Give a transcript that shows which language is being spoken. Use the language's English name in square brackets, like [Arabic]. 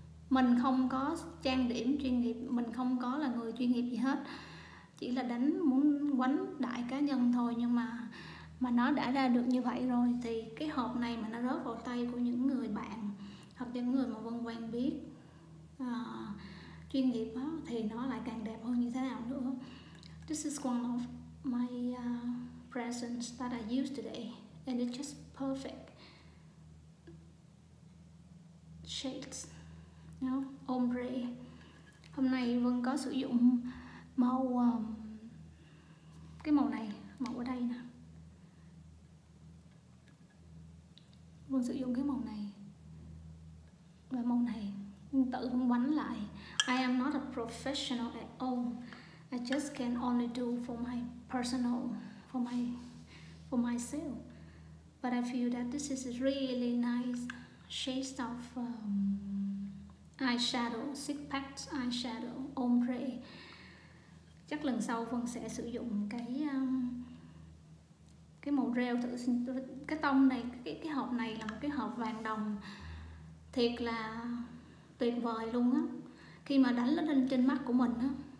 [Vietnamese] Mình không có trang điểm chuyên nghiệp, mình không có là người chuyên nghiệp gì hết, chỉ là đánh muốn quánh đại cá nhân thôi, nhưng mà nó đã ra được như vậy rồi, thì cái hộp này mà nó rớt vào tay của những người bạn hoặc những người mà Vân quen biết chuyên nghiệp đó, thì nó lại càng đẹp hơn như thế nào nữa. [English] This is one of my presents that I used today and it's just perfect shades, you know, ombre. [Vietnamese] Hôm nay Vân có sử dụng màu cái màu này, màu ở đây nè, Vân sử dụng cái màu này và màu này, Vân tự Vân quánh lại. [English] I am not a professional at all, I just can only do for my personal, for myself, but I feel that this is a really nice shade of eyeshadow, six packs eyeshadow ombre. [Vietnamese] Chắc lần sau Vân sẽ sử dụng cái màu rêu thử. Cái tông này, cái hộp này là một cái hộp vàng đồng thiệt là tuyệt vời luôn á, khi mà đánh lên trên mắt của mình á.